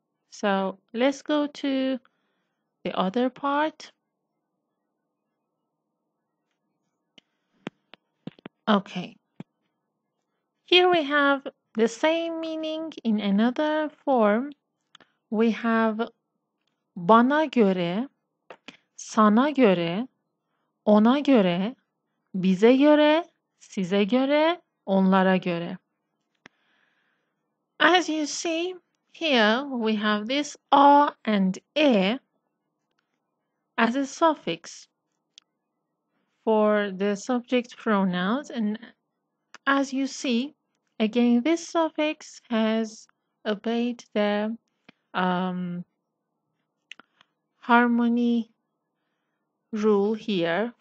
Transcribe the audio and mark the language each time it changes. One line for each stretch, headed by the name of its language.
English: So let's go to the other part. Okay. Here we have the same meaning in another form. We have
Turkish: bana göre, sana göre, ona göre, bize göre, size göre, onlara göre.
English: As you see, here we have this a and e as a suffix for the subject pronouns. And as you see, again, this suffix has obeyed the harmony rule here.